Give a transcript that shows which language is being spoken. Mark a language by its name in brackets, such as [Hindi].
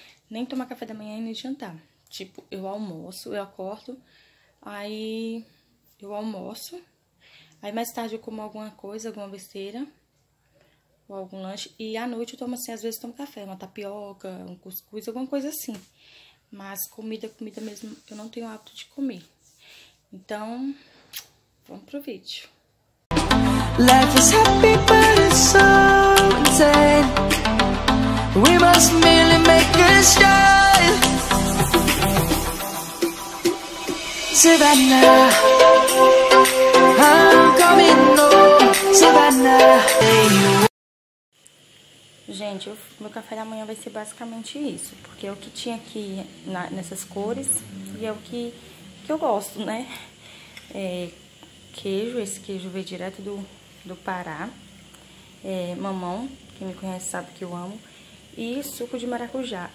[Portuguese] Nem tomar café da manhã e nem jantar. Tipo, eu almoço, eu acordo, aí eu almoço. Aí mais tarde eu como alguma coisa, alguma besteira, ou algum lanche. E à noite eu tomo assim, às vezes eu tomo café, uma tapioca, um cuscuz, alguma coisa assim. Mas comida, comida mesmo, eu não tenho o hábito de comer. Então, vamos pro vídeo. [English] Life is happy, but it's so insane. We must merely make a shine. Savannah, I'm coming home. Savannah, hey. [Portuguese] Gente, meu café da manhã vai ser basicamente isso. Porque é o que tinha aqui nessas cores. E é o que eu gosto, né? É, queijo, esse queijo veio direto do Pará. É, mamão, quem me conhece sabe que eu amo. E suco de maracujá.